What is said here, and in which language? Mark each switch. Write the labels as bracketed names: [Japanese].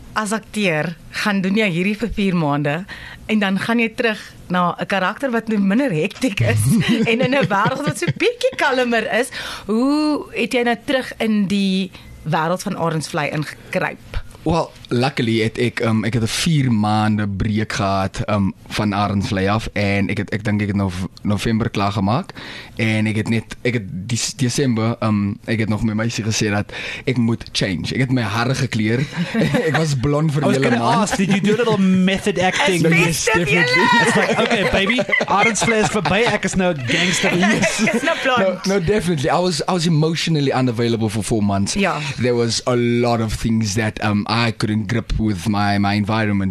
[Afrikaans] as acteur, gaan doen jy hierdie vir 4 maande en dan gaan jy terug na 'n karakter wat nou minder hektiek is en in 'n wêreld wat so bietjie kalmer is. Hoe het jy nou terug in die wêreld van Arends Vlei ingekruip? [English] Well, luckily [Afrikaans] ek het 4 maande breek gehad van Arends Vlei af, en ek dink ek het November klaar gemaak, en ek het Desember ek het nog met my meisie gesê dat ek moet change. Ek het my hare gekleur. Ek was blond vir 'n hele maand. [English] Ask, did you do a little method acting? Yes, definitely. It's like, okay, baby, [Afrikaans] Arends Vlei is verby. Ek is nou 'n gangster. [English] Yes. [Afrikaans] Ek is nou blond. [English] No, definitely. I was emotionally unavailable for 4 months. Yeah. There was a lot of things that I couldn't grip with my environment.